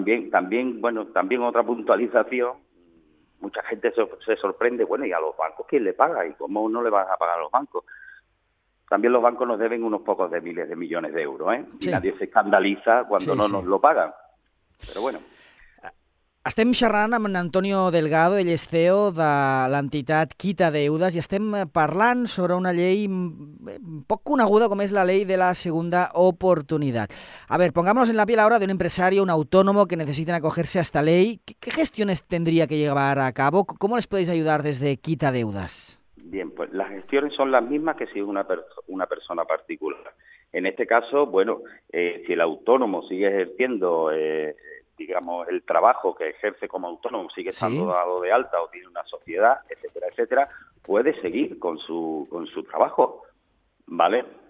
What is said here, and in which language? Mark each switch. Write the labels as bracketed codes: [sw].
[es] También otra puntualización. Mucha gente se sorprende, bueno, ¿y a los bancos quién le paga? ¿Y cómo no le vas a pagar a los bancos? También los bancos nos deben unos pocos de miles de millones de euros, ¿eh? Sí. Y nadie se escandaliza cuando nos lo pagan. Pero bueno. [ca] Estem xerrant amb Antonio Delgado, ell és CEO de l'entitat Quita Deudes, i estem parlant sobre una llei poc coneguda com és la llei de la segunda oportunidad. [es] A ver, pongámonos en la piel ahora de un empresario, un autónomo que necesiten acogerse a esta ley. ¿Qué gestiones tendría que llevar a cabo? ¿Cómo les podéis ayudar desde Quita Deudes? Bien, pues las gestiones son las mismas que si es una persona particular. En este caso, bueno, si el autónomo sigue ejerciendo, digamos, el trabajo que ejerce como autónomo, sigue estando dado de alta o tiene una sociedad, etcétera, etcétera, puede seguir con su trabajo, ¿vale?